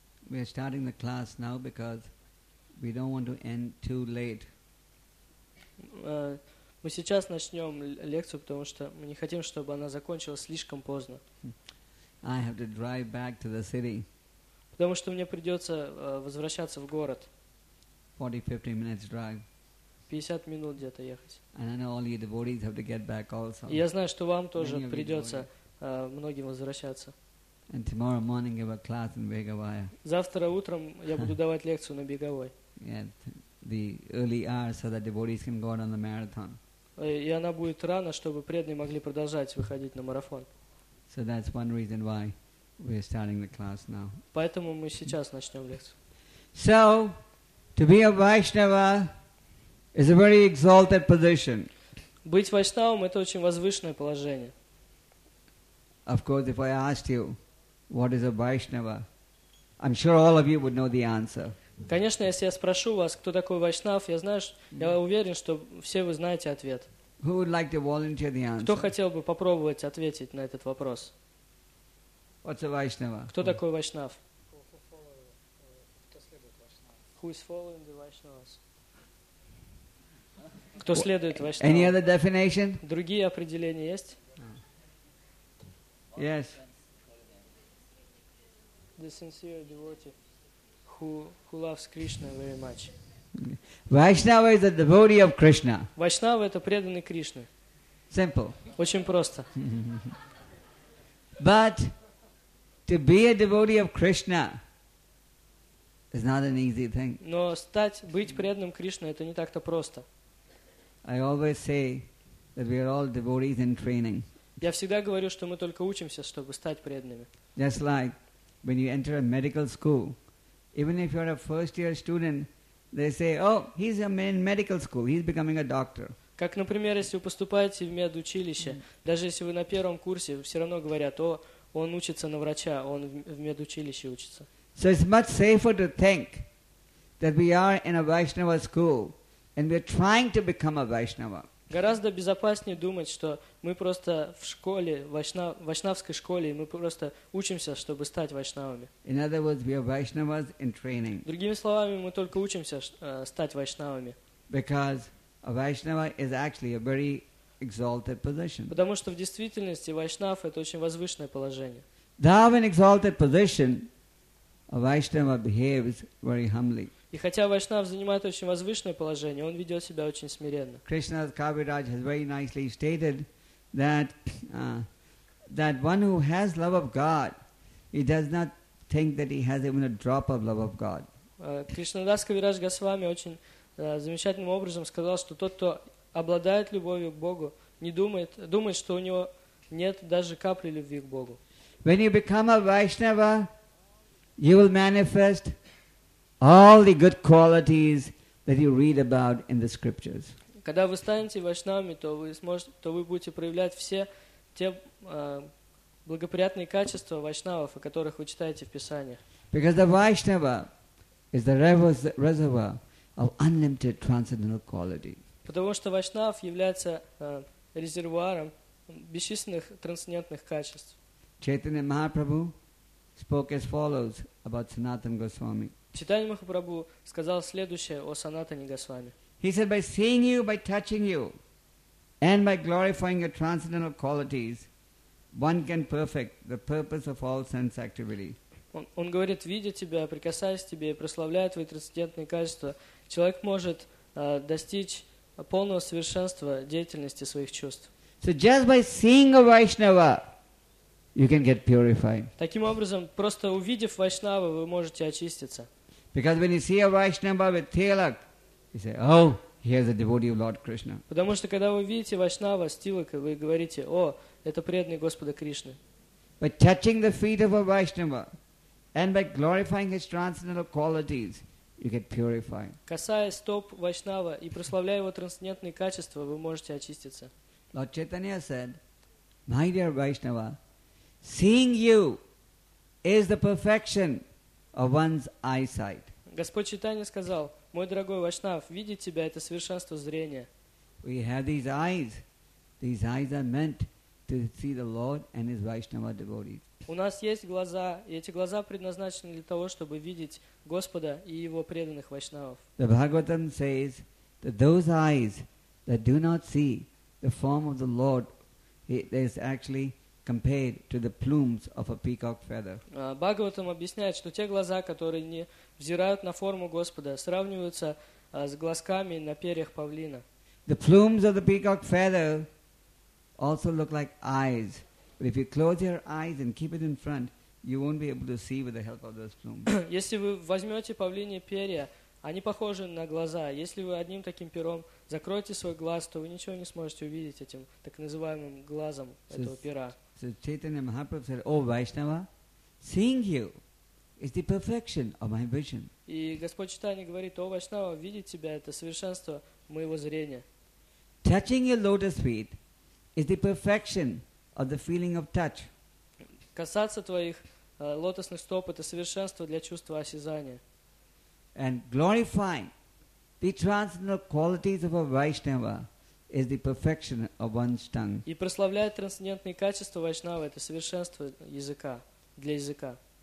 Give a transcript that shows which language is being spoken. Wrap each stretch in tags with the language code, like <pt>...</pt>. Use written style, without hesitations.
<en>We are starting the class now because we don't want to end too late.</en> <ru>Мы сейчас начнем лекцию, потому что мы не хотим, чтобы она закончилась слишком поздно.</ru> <en>I have to drive back to the city.</en> <ru>Потому что мне придется возвращаться в город.</ru> <en>40-50 minutes drive.</en> <ru>50 минут где-то ехать.</ru> <en>And I know all you devotees have to get back also.</en> <ru>И я знаю, что вам тоже придется многим возвращаться.</ru> <en>And tomorrow morning have a class in Begavaya.</en> <ru>Завтра утром я буду давать лекцию на Беговой.</ru> <en>The early hours so that devotees can go out on the marathon.</en> <ru>И она будет рано, чтобы преданные могли продолжать выходить на марафон.</ru> <en>So that's one reason why we are starting the class now.</en> <ru>Поэтому мы сейчас начнем лекцию.</ru> <en>So to be a Vaishnava is a very exalted position.</en> <ru>Быть вайшнавом — это очень возвышенное положение.</ru> <en>Of course, if I asked you what is a Vaishnava, I'm sure all of you would know the answer.</en> <ru>Конечно, если я спрошу вас, кто такой вайшнав, я знаю, я уверен, что все вы знаете ответ.</ru> <en>Who would like to volunteer the answer?</en> <ru>Кто хотел бы попробовать ответить на этот вопрос?</ru> <en>What's a Vaishnava?</en> <ru>Кто такой вайшнав?</ru> <en>Who is following the Vaishnavas?</en> <ru>Кто следует вайшнавам?</ru> <en>Any other definition?</en> <ru>Другие определения есть?</ru> <en>Yes. The sincere devotee. Who loves Krishna very much. Vaishnava is a devotee of Krishna.</en> <ru>Vaishnava — это преданный Кришне.</ru> <en>Simple.</en> <ru>Очень просто.</ru> <en>But to be a devotee of Krishna is not an easy thing.</en> <ru>Но стать, быть преданным Кришне — это не так-то просто.</ru> <en>I always say that we are all devotees in training.</en> <ru>Я всегда говорю, что мы только учимся, чтобы стать преданными.</ru> <en>Just like when you enter a medical school, even if you're a first-year student, they say, oh, he's in medical school, he's becoming a doctor.</en> <ru>Как, например, если вы поступаете в медучилище, даже если вы на первом курсе, все равно говорят, о, он учится на врача, он в медучилище учится.</ru> <en>So it's much safer to think that we are in a Vaishnava school and we're trying to become a Vaishnava.</en> <ru>Гораздо безопаснее думать, что мы просто в школе, в вайшнавской школе, и мы просто учимся, чтобы стать вайшнавами.</ru> <en>In other words, we are Vaishnavas in training.</en> <ru>Другими словами, мы только учимся стать вайшнавами.</ru> <en>Because a Vaishnava is actually a very exalted position.</en> <ru>Потому что в действительности вайшнав – это очень возвышенное положение.</ru> <en>To have an exalted position, a Vaishnava behaves very humbly.</en> <ru>И хотя вайшнав занимает очень возвышенное положение, он ведет себя очень смиренно.</ru> <en>Krishna Kaviraj has very nicely stated that that one who has love of God, he does not think that he has even a drop of love of God.</en> <ru>Кришнадас Кавирадж Госвами очень замечательным образом сказал, что тот, кто обладает любовью к Богу, не думает, думает, что у него нет даже капли любви к Богу.</ru> <en>When you become a Vaishnava, you will manifest all the good qualities that you read about in the scriptures.</en> <ru>Когда вы станете вайшнавами, то вы сможете, то вы будете проявлять все те благоприятные качества вайшнавов, о которых вы читаете в Писаниях.</ru> <en>Because the Vaishnava is the reservoir of unlimited transcendental qualities.</en> <ru>Потому что вайшнав является резервуаром бесчисленных трансцендентных качеств.</ru> <en>Chaitanya Mahaprabhu spoke as follows about Sanatana Goswami.</en> <ru>Чайтанья Махапрабху сказал следующее о Санатане Госвами.</ru> <en>He said, by seeing you, by touching you, and by glorifying your transcendental qualities, one can perfect the purpose of all sense activity.</en> <ru>Он говорит, видя тебя, прикасаясь к тебе, прославляя твои трансцендентные качества, человек может достичь полного совершенства деятельности своих чувств.</ru> <en>So just by seeing a Vaishnava, you can get purified.</en> <ru>Таким образом, просто увидев вайшнаву, вы можете очиститься.</ru> <en>Because when you see a Vaishnava with tilak, you say, "Oh, here's a devotee of Lord Krishna."</en> <ru>Потому что когда вы видите вайшнава с тилака, вы говорите, "О, это преданный Господа Кришны."</ru> <en>By touching the feet of a Vaishnava and by glorifying his transcendental qualities, you get purified.</en> <ru>Касаясь стоп вайшнава и прославляя его трансцендентные качества, вы можете очиститься.</ru> <en>Lord Chaitanya said, "My dear Vaishnava, seeing you is the perfection of one's eyesight."</en> <ru>Господь Чайтанья сказал, мой дорогой вайшнав, видеть тебя – это совершенство зрения.</ru> <en>We have these eyes. These eyes are meant to see the Lord and His Vaishnava devotees.</en> <ru>У нас есть глаза, и эти глаза предназначены для того, чтобы видеть Господа и Его преданных вайшнавов.</ru> <en>The Bhagavatam says that those eyes that do not see the form of the Lord, it is actually compared to the plumes of a peacock feather.</en> <ru>Бхагаватам объясняет, что те глаза, которые не взирают на форму Господа, сравниваются с глазками на перьях павлина.</ru> <en>The plumes of the peacock feather also look like eyes. But if you close your eyes and keep it in front, you won't be able to see with the help of those plumes.</en> <ru>Если вы возьмете павлине перья, они похожи на глаза. Если вы одним таким пером закроете свой глаз, то вы ничего не сможете увидеть этим так называемым глазом этого пера.</ru> <en>So Chaitanya Mahaprabhu said, "O Vaishnava, seeing you is the perfection of my vision."</en> <ru>И Господь Чайтанья говорит, "О Вайшнава, видеть тебя – это совершенство моего зрения."</ru> <en>Touching your lotus feet is the perfection of the feeling of touch.</en> <ru>Касаться твоих лотосных стоп – это совершенство для чувства осязания.</ru> <en>And glorifying the transcendental qualities of a Vaishnava is the perfection of one's tongue.</en> <ru>И прославляет трансцендентные качества вайшнава – это совершенство языка, для языка.</ru>